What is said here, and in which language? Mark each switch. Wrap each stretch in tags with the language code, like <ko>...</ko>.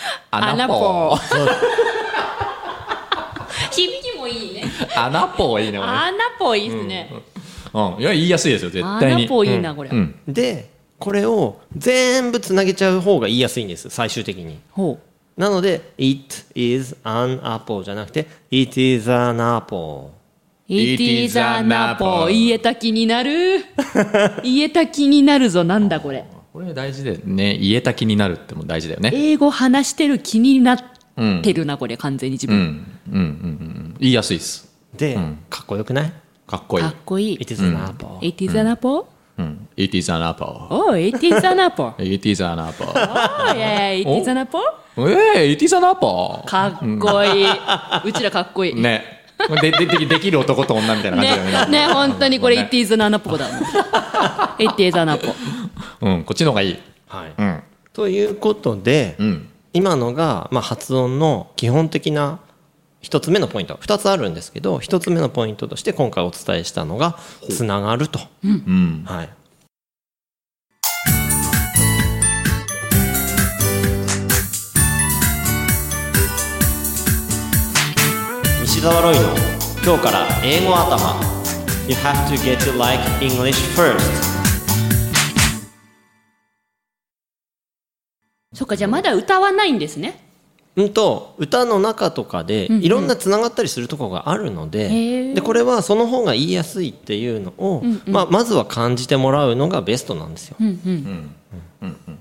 <ja>アナポ響きもいいね。アナポいいね。アナポいいですね、うんうん、いや言いやすいですよ絶対に。アナポいいなこれ、うんうん、でこれを全部つなげちゃう方が言いやすいんです最終的に。ほう、</ja> <en>なので It is an apple じゃなくて It is an apple。 It is an apple 言えた気になる。</en> <ja>言えた気になるぞ。なんだこれ。これ大事でね、言えた気になるっても大事だよね。英語話してる気になってるな、うん、これ完全に自分、うんうんうんうん、言いやすいですで、うん、かっこよくない。かっこいい、かっこいい。</ja> <en>It is an apple、うん、It is an apple、うんうん、It is an apple。 Oh, it is an apple。 It is an apple。 Oh, yeah, it is an apple。 Hey, it is an apple。</en> <ja>かっこいい。うちらかっこいい。ね。できる男と女みたいな感じだよね。ね、本当にこれ It is an apple だもん。</ja> <en>It is an apple。</en> <ja>うん、こっちの方がいい。はい。うん、ということで、うん、今のが、まあ、発音の基本的な一つ目のポイント、二つあるんですけど、一つ目のポイントとして今回お伝えしたのがつながると、うんうん、はい、西澤ロイの今日から英語頭。</ja> <en>You have to get to like English first。</en> <ja>そっか、じゃあまだ歌わないんですね。うんと、歌の中とかでいろんなつながったりするところがあるの で、うんうん、でこれはその方が言いやすいっていうのを、うんうん、まあ、まずは感じてもらうのがベストなんですよ、うんうん、</ja>